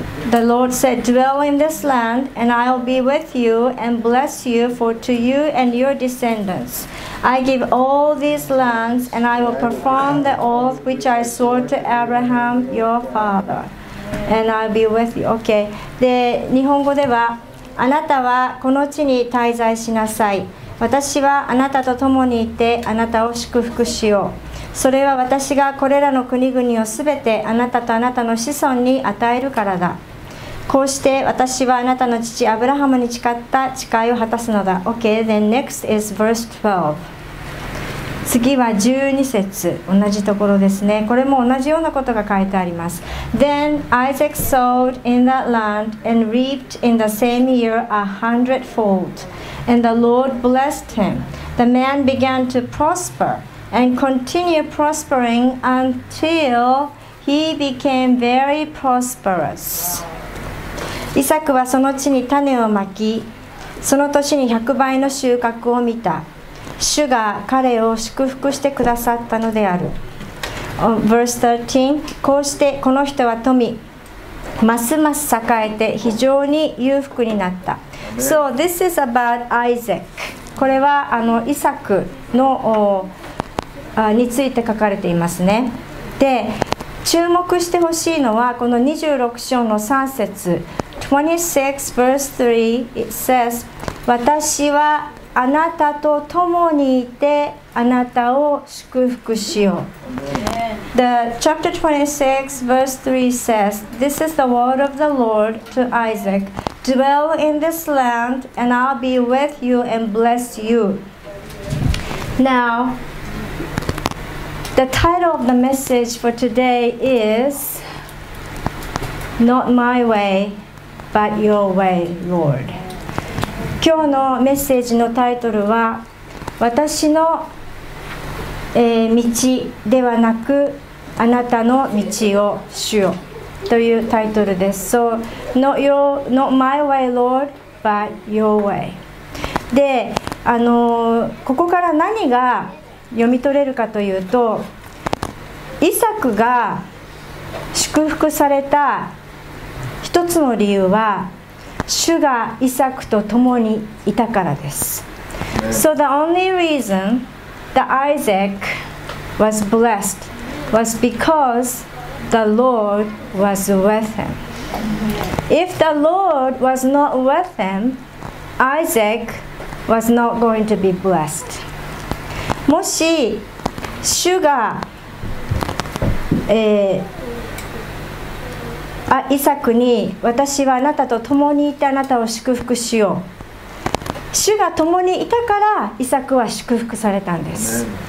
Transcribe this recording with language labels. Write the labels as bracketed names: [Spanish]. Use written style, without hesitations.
[English] The Lord said, dwell in this land, and I'll be with you and bless you, for to you and your descendants I give all these lands, and I will perform the oath which I swore to Abraham your father, and I'll be with you. Okay. [Japanese] で、日本語ではあなたはこの地に滞在しなさい。私はあなたと共にいてあなたを祝福しよう。それは私がこれらの国々をすべてあなたとあなたの子孫に与えるからだ。こうして私はあなたの父アブラハムに誓った誓いを果たすのだ。 [English] OK, then next is verse 12. [Japanese] 次は12節、同じところですね。これも同じようなことが書いてあります。 [English] Then Isaac sowed in that land and reaped in the same year a hundredfold, and the Lord blessed him. The man began to prosperAnd continue prospering until he became very prosperous. [Japanese] イサクはその地に種をまき、その年に100倍の収穫を見た。主が彼を祝福してくださったのである。 [English] Verse 13. [Japanese] こうしてこの人は富、ますます栄えて非常に裕福になった。 [English] So this is about Isaac. [Japanese] これはイサクのについて書かれていますね。で、注目してほしいのはこの26章の3節。 [English] 26 verse 3 it says [Japanese] 私はあなたと共にいてあなたを祝福しよう。 [English] The chapter 26 verse 3 says This is the word of the Lord to Isaac. Dwell in this land and I'll be with you and bless you. NowThe title of the message for today is Not My Way, But Your Way, Lord. [Japanese] 今日のメッセージのタイトルは私の、道ではなくあなたの道を主よというタイトルです。 [English] So, not My Way, Lord, But Your Way. [Japanese] で、ここから何が読み取れるかというと、イサクが祝福された一つの理由は主がイサクと共にいたからです。 [English] So the only reason that Isaac was blessed was because the Lord was with him. If the Lord was not with him, Isaac was not going to be blessed. [Japanese] もし主がイサクに私はあなたと共にいてあなたを祝福しよう、主が共にいたからイサクは祝福されたんです。